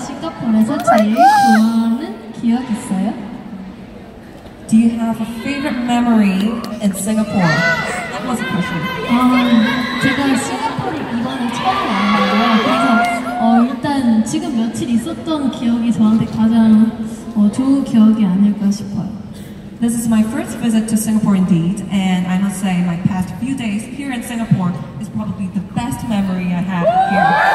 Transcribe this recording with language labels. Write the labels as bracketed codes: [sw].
[ko] 싱가포르에서 제일 좋아하는 기억 있어요? [en] Do you have a favorite memory in Singapore? That was a question. [ko] 제가 싱가포르 이번에 처음 왔는데요. 그래서 일단 지금 며칠 있었던 기억이 저한테 가장 좋은 기억이 아닐까 싶어요. [en] This is my first visit to Singapore indeed, and I must say my past few days here in Singapore is probably the best memory I have here.